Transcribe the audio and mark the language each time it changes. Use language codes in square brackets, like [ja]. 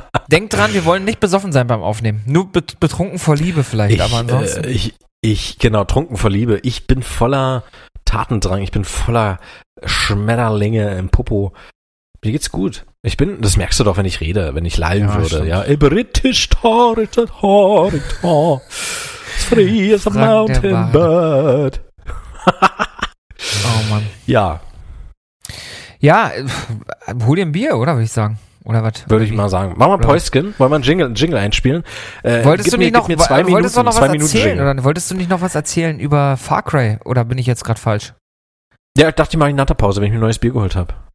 [de] Denk dran, wir wollen nicht besoffen sein beim Aufnehmen. Nur betrunken vor Liebe vielleicht, aber ansonsten. Genau, trunken vor Liebe. Ich bin voller Tatendrang, ich bin voller Schmetterlinge im Popo. Mir geht's gut. Ich bin, das merkst du doch, wenn ich rede, wenn ich lallen würde. [en] Ja, British Territory, it's free as a mountain bird. [de] Oh Mann. Ja. Ja, hol dir ein Bier, oder würde ich sagen? Oder was? Würde ich mal sagen. Machen wir Päuschen. Wollen wir einen Jingle einspielen? Wolltest du nicht noch was erzählen über Far Cry? Oder bin ich jetzt gerade falsch? Ja, ich dachte, ich mache eine Natterpause, wenn ich mir ein neues Bier geholt habe.